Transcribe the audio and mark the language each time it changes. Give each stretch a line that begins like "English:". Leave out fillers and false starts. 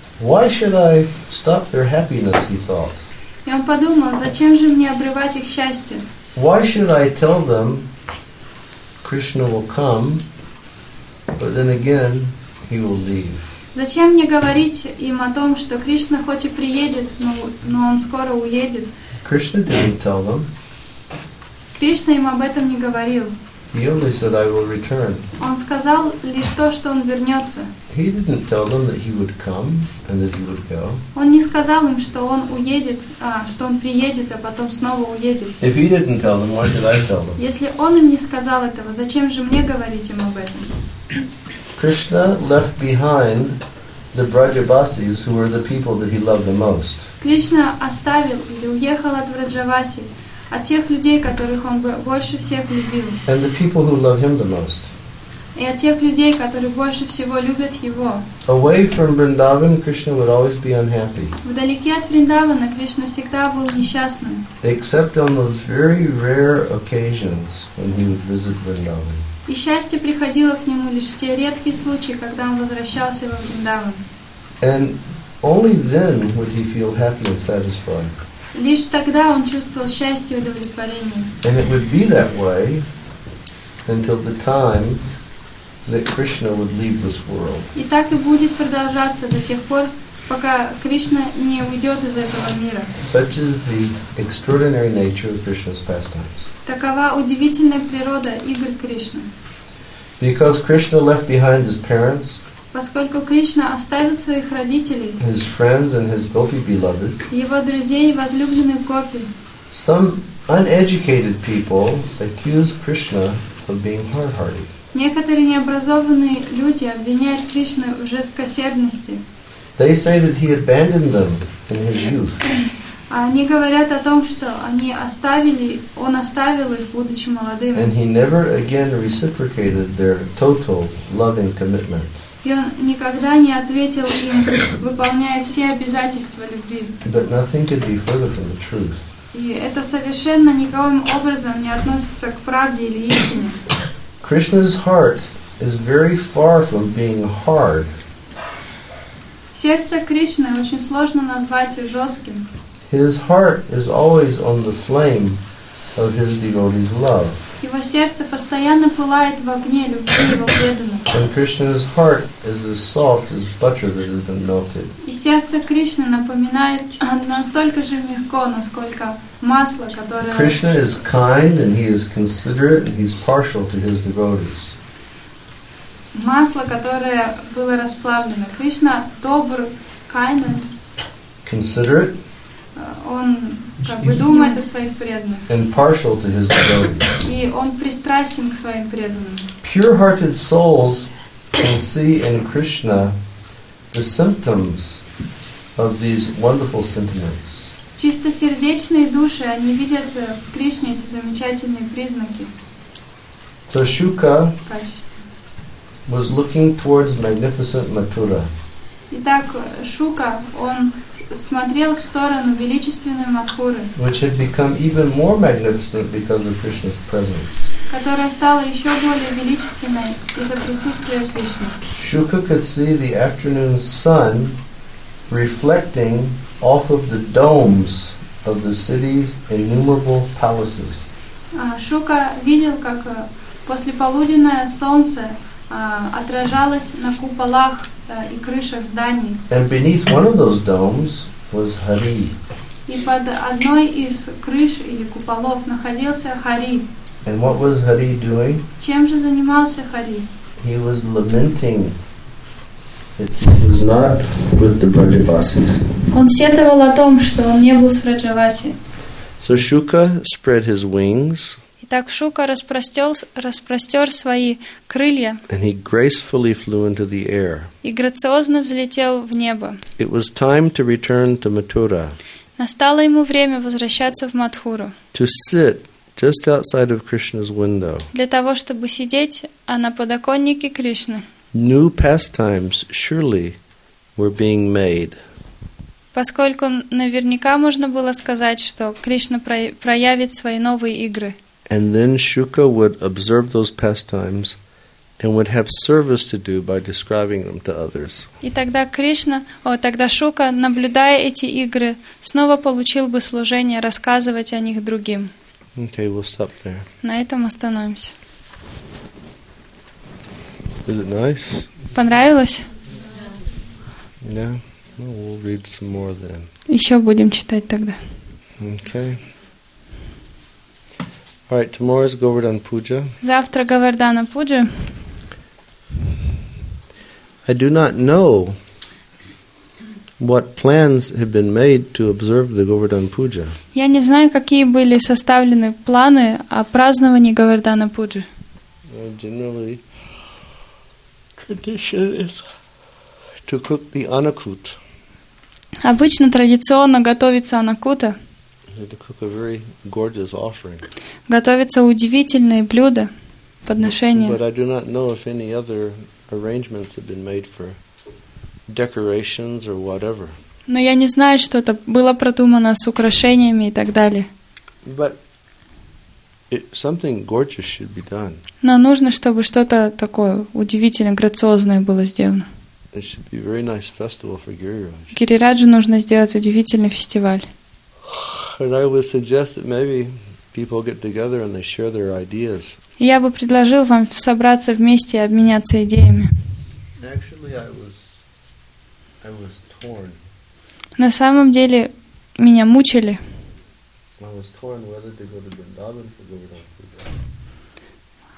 English: Why should I stop their happiness, he thought.
Russian: И он подумал, зачем же мне обрывать их счастье?
English: Why should I tell them Krishna will come, but then again he will leave?
Russian: Зачем мне говорить им о том, что Кришна хоть и приедет, но он скоро уедет?
English: Krishna didn't tell them.
Russian: Кришна им об этом не говорил.
English: He only said, I will return.
Russian: Он сказал лишь то, что он вернется.
English: He didn't tell them that he would come and that he would go.
Russian: Он не сказал им, что он уедет, что он приедет, а потом снова уедет.
English: If he didn't tell them, why should I tell them?
Russian: Если он им не сказал этого, зачем же мне говорить им об этом?
English: Krishna left behind the Vrajavasis, who were the people that he loved the most.
Russian: Кришна оставил или уехал от Враджаваси. От тех людей, которых он больше всех любил.
English: And the people who love him the most.
Russian: И от тех людей, которые больше всего любят его.
English: Away from Vrindavan, Krishna would always be unhappy.
Russian: Вдалеке от Вриндавана Кришна всегда был несчастным.
English: Except on those very rare occasions when he would visit Vrindavan.
Russian: И счастье приходило к нему лишь в те редкие случаи, когда он возвращался во Вриндаван.
English: And only then would he feel happy and satisfied.
Russian: Лишь тогда он чувствовал счастье и удовлетворение.
English: And it would be that way until the time that Krishna would leave this world.
Russian: И так и будет продолжаться до тех пор, пока Кришна не уйдет из этого мира.
English: Such is the extraordinary nature of Krishna's pastimes.
Russian: Такова удивительная природа игр Кришны.
English: Because Krishna left behind his parents.
Russian: Поскольку Кришна оставил своих родителей,
English: his friends and his gopi beloved,
Russian: его друзей и возлюбленных гопи,
English: some uneducated people accuse Krishna of being hard-hearted.
Russian: Некоторые необразованные люди обвиняют Кришну в жесткосердности.
English: They say that he abandoned them in his youth.
Russian: Они говорят о том, что они оставили, он оставил их, будучи молодым.
English: And he never again reciprocated their total loving commitment.
Russian: И он никогда не ответил им, выполняя все обязательства любви.
English: But nothing could be further from the truth.
Russian: И это совершенно никаким образом не относится к правде или истине.
English: Krishna's heart is very far from being hard.
Russian: Сердце Кришны очень сложно назвать жестким.
English: His heart is always on the flame of his devotee's love.
Russian: Его сердце постоянно пылает в огне любви его преданных.
English: And Krishna's heart is as soft as butter that has been melted.
Russian: И сердце Кришны напоминает настолько же мягко, насколько масло, которое.
English: Krishna is kind and he is considerate and he's partial to his devotees.
Russian: Масло, которое было расплавлено, Кришна добр,
English: kind. Considerate.
Russian: Он как бы думает о своих преданных.
English: And partial to his devotees.
Russian: И он пристрастен к своим преданным.
English: Pure-hearted souls can see in Krishna the symptoms of these wonderful sentiments.
Russian: Чистосердечные души, они видят в Кришне эти замечательные признаки.
English: So Shuka was looking towards magnificent Mathura.
Russian: Итак, Шука, он смотрел в сторону величественной Матхуры,
English: which had become even more magnificent because of Krishna's presence.
Russian: Которая стала еще более величественной из-за присутствия Кришны.
English: Shuka could see the afternoon sun reflecting off of the domes of the city's innumerable palaces.
Russian: Шука видел, как послеполуденное солнце отражалось на куполах и крышах зданий.
English: And beneath one of those domes was Hari.
Russian: И под одной из крыш или куполов находился Хари.
English: And what was Hari doing?
Russian: Чем же занимался Хари?
English: He was lamenting that he was not with the Vrajavasis.
Russian: Он сетовал о том, что он не был с Враджаваси.
English: So Shuka spread his wings.
Russian: Итак, Шука распростер свои крылья.
English: And he gracefully flew into the air.
Russian: И грациозно взлетел в небо.
English: It was time to return to Mathura.
Russian: Настало ему время возвращаться в Матхуру.
English: To sit just outside of Krishna's window.
Russian: Для того, чтобы сидеть, а на подоконнике Кришны.
English: New pastimes surely were being made.
Russian: Поскольку наверняка можно было сказать, что Кришна проявит свои новые игры.
English: And then Shuka would observe those pastimes and would have service to do by describing them to others.
Russian: И тогда Кришна, тогда Шука, наблюдая эти игры, снова получил бы служение рассказывать о них другим.
English: Okay, we'll stop there.
Russian: На этом остановимся.
English: Is it nice?
Russian: Понравилось?
English: Yeah. Well, we'll read some more then.
Russian: Еще будем читать тогда.
English: Okay. All right, tomorrow is Govardhan Puja.
Russian: Завтра Говардхана Пуджа.
English: I do not know what plans have been made to observe the Govardhan Puja.
Russian: Я не знаю, какие были составлены планы о праздновании Говардхана Пуджи.
English: Generally, tradition is to cook the anakut.
Russian: Обычно традиционно готовится анакута.
English: To cook a very gorgeous offering.
Russian: Готовится удивительное блюдо, подношение.
English: But I do not know if any other arrangements have been made for decorations or whatever.
Russian: Но я не знаю, что это было продумано с украшениями и так далее.
English: But something gorgeous should be done.
Russian: Но нужно, чтобы что-то такое удивительное, грациозное было сделано.
English: It should be a very nice festival for Giriraj.
Russian: Гирираджу нужно сделать удивительный фестиваль.
English: And I would suggest that maybe people get together and they share their ideas.
Russian: Я бы предложил вам собраться вместе и обменяться идеями.
English: Actually, I was torn.
Russian: На самом деле меня мучили.
English: I was torn whether to go to Vrindavan for Govardhan Puja.